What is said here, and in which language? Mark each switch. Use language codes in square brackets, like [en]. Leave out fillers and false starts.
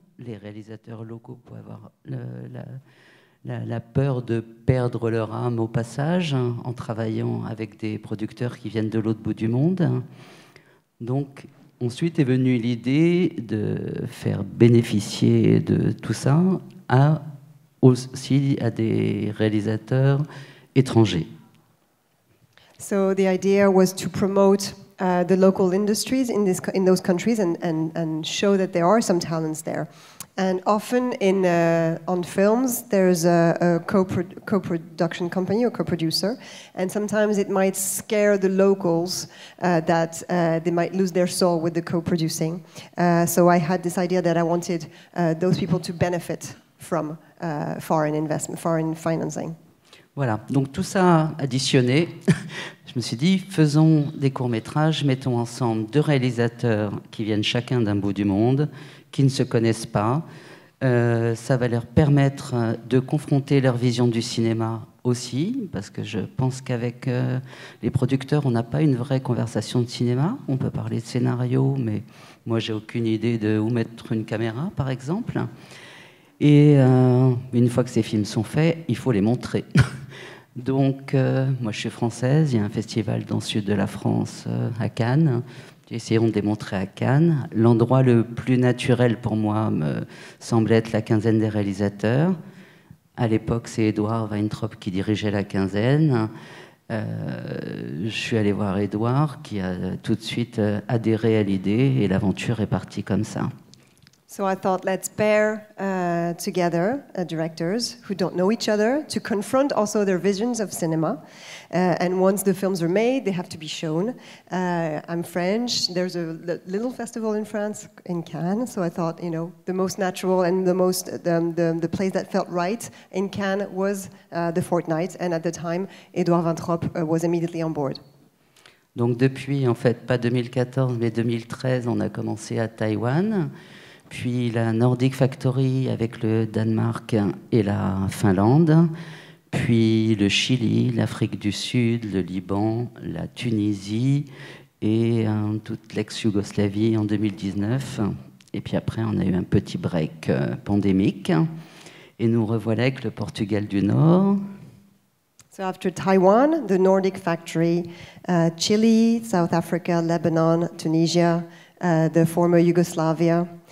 [fr] Les réalisateurs locaux peuvent avoir la peur de perdre leur âme au passage, en travaillant avec des producteurs qui viennent de l'autre bout du monde. Donc, ensuite est venue l'idée de faire bénéficier de tout ça aussi à des réalisateurs étrangers. [en] So the idea was to promote the local industries in those countries and show that there are some talents there. And often on films, there's a co-production company or co-producer, and sometimes it might scare the locals that they might lose their soul with the co-producing. So I had this idea that I wanted those people to benefit from foreign investment, foreign financing. [fr] Voilà, donc tout ça additionné, je me suis dit, faisons des courts-métrages, mettons ensemble deux réalisateurs qui viennent chacun d'un bout du monde, qui ne se connaissent pas. Ça va leur permettre de confronter leur vision du cinéma aussi, parce que je pense qu'avec les producteurs, on n'a pas une vraie conversation de cinéma. On peut parler de scénario, mais moi, j'ai aucune idée de où mettre une caméra, par exemple. Et une fois que ces films sont faits, il faut les montrer. Donc, moi, je suis française, il y a un festival dans le sud de la France, à Cannes. Essayons de démontrer à Cannes. L'endroit le plus naturel pour moi me semble être la quinzaine des réalisateurs. À l'époque, c'est Édouard Weintraub qui dirigeait la quinzaine. Je suis allé voir Édouard qui a tout de suite adhéré à l'idée et l'aventure est partie comme ça. [en] So I thought, let's pair together directors who don't know each other to confront also their visions of cinema. And once the films are made, they have to be shown. I'm French. There's a little festival in France, in Cannes. So I thought, you know, the most natural and the most the place that felt right in Cannes was the Fortnight. And at the time, Edouard Vintrop was immediately on board. [fr] Donc depuis, en fait, pas 2014, mais 2013, on a commencé à Taïwan. Puis la Nordic Factory avec le Danemark et la Finlande, puis le Chili, l'Afrique du Sud, le Liban, la Tunisie et toute l'ex-Yougoslavie en 2019. Et puis après, on a eu un petit break pandémique et nous revoilà avec le Portugal du Nord. [en] So after Taiwan, the Nordic Factory, Chile, South Africa, Lebanon, Tunisia, the former Yugoslavia.